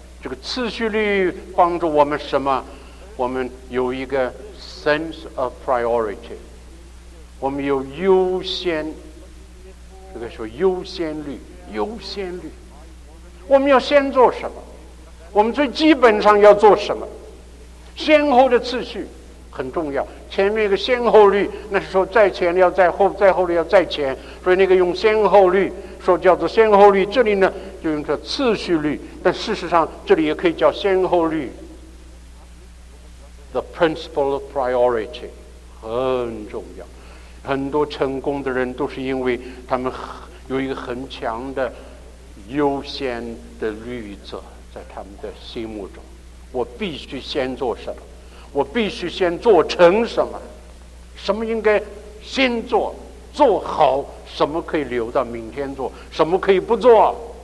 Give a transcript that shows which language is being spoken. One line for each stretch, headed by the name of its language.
Chinese: 这个次序律帮助我们什么？我们有一个
English: sense of priority，
Chinese: 我们有优先，这个说优先律，优先律，我们要先做什么，我们最基本上要做什么，先后的次序很重要。前面一个先后律，那是说在前要在后，在后的要在前，所以那个用先后律说叫做先后律，这里呢就用这次序律，但事实上这里也可以叫先后律。
English: The principle of priority 很重要。
Chinese: 很多成功的人都是因为他们有一个很强的优先的律则在他们的心目中，我必须先做什么，我必须先做成什么，什么应该先做，做好什么可以留到明天做，什么可以不做，